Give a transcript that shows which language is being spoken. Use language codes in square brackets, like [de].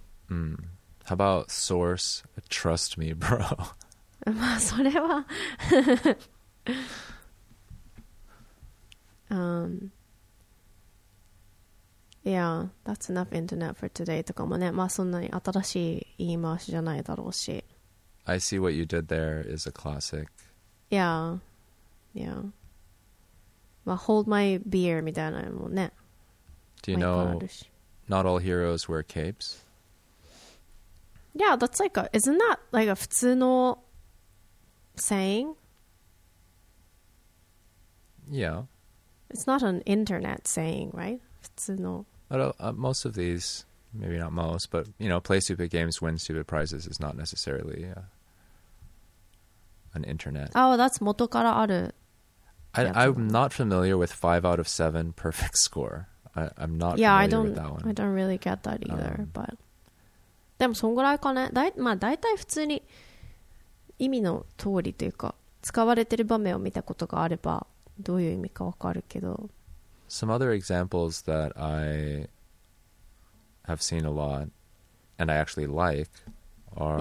[en] How about source? Trust me, bro. [ja] まあそれは [en] Yeah, that's enough internet for today [ja] とかもね。まあそんなに新しい言い回しじゃないだろうし。 [en] I see what you did there is a classic. [ja] Yeah. Yeah. まあ [en] hold my beer [ja] みたいなのもね。 [en] Do you know... Not all heroes wear capes. Yeah, that's like a... Isn't that like a 普通の saying? Yeah. It's not an internet saying, right? 普通の... Most of these, maybe not most, but, you know, play stupid games, win stupid prizes is not necessarily an internet. Oh, that's [ja] 元からある... [en] I'm not familiar with 5 out of 7 perfect score. I'm not yeah, familiar I don't, with that one. I don't really get that either, but... [ja] でもそんぐらいかね。まあ大体普通に意味の通りというか、使われてる場面を見たことがあれば、どういう意味かわかるけど。 [en] Some other examples that I have seen a lot, and I actually like, are...